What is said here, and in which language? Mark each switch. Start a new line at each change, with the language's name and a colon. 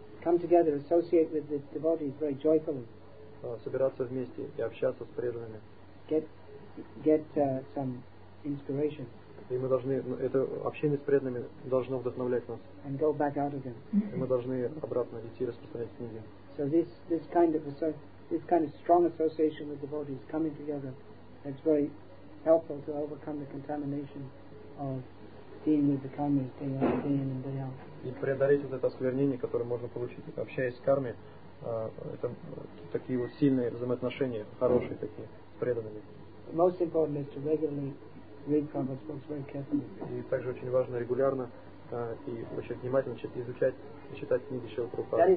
English: Come together, associate with the devotees very joyfully.
Russian: Собираться вместе и общаться с преданными.
English: Get some inspiration.
Russian: И мы должны, это общение с преданными должно вдохновлять нас.
English: And go back out again.
Russian: И мы должны обратно идти распространять книги.
English: So this kind of strong association with devotees coming together, it's very helpful to overcome the contamination of dealing with the karma day in and day out.
Russian: И преодолеть вот это осквернение, которое можно получить, общаясь с кармой, это такие вот сильные взаимоотношения, хорошие такие, с преданными.
English: Most important is to regularly read Prabhupada's books very carefully.
Russian: И также очень важно регулярно и очень внимательно изучать и читать книги Шрилы Прабхупады.